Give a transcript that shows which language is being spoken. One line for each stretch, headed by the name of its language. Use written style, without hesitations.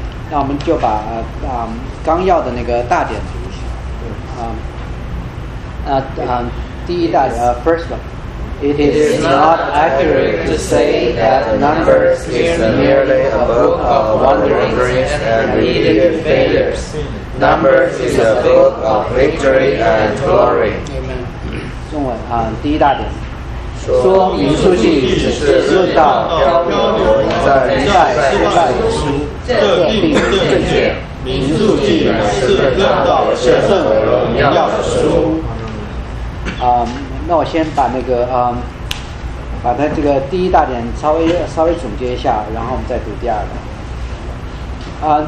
Chinese: 那我们就把纲要的那个大点读一下。第一大点
English: first one。 It is not accurate to say that Numbers is merely a book of wanderings and repeated failures. Numbers is a book of victory and glory.
Chinese: 中文啊，第一大点。说民数记只是论到飘飘游在失败失败的书，这并不正确。民数记乃是论到神圣荣耀的书。那我先把那个把它这个第一大点稍微总结一下，然后我们再读第二个。